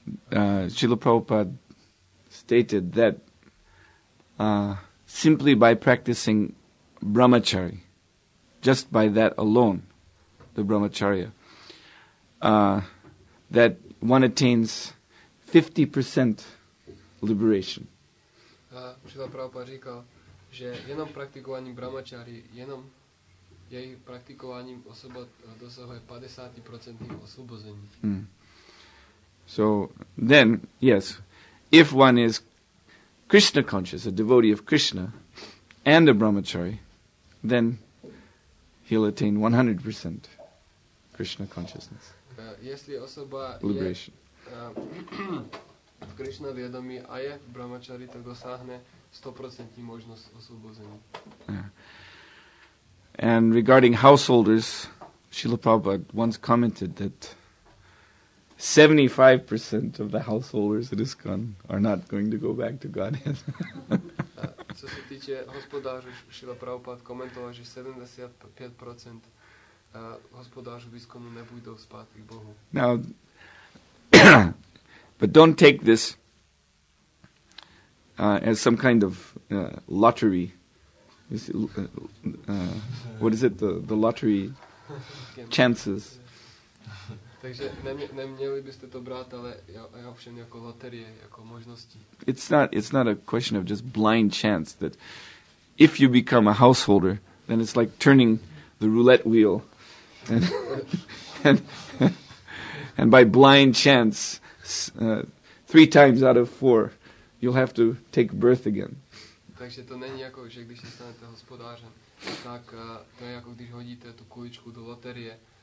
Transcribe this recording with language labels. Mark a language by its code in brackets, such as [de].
[en] Srila Prabhupada stated that simply by practicing brahmachari, just by that alone, the brahmacharya, that one attains 50% liberation. [cs] Srila Prabhupada říkal, že jenom praktikováním brahmachari, jenom jejich praktikováním osoba dosahuje 50% osvobození. [en] So then, yes, if one is Krishna conscious, a devotee of Krishna, and a brahmachari, then he'll attain 100% Krishna consciousness. [cs] Jestli osoba liberation. Je v Krishna vědomí a je brahmachari, tak dosáhne 100% možnost osvobození. [en] And regarding householders, Srila Prabhupada once commented that 75% of the householders at ISKCON are not going to go back to Godhead. [cs] Co se týče hospodářů, Srila Prabhupada komentoval, že 75% hospodářů ISKCONu nepůjdou zpátky k Bohu. [en] Now, but don't take this as some kind of lottery. What is it? The lottery chances. [cs] Takže neměli byste to brát, ale já ovšem jako loterie, jako možnosti. [en] It's not a question of just blind chance that if you become a householder, then it's like turning the roulette wheel, and by blind chance, three times out of four, you'll have to take birth again. [cs] Takže to není jako, že když se stanete hospodářem, tak to je jako když hodíte tu kuličku do loterie.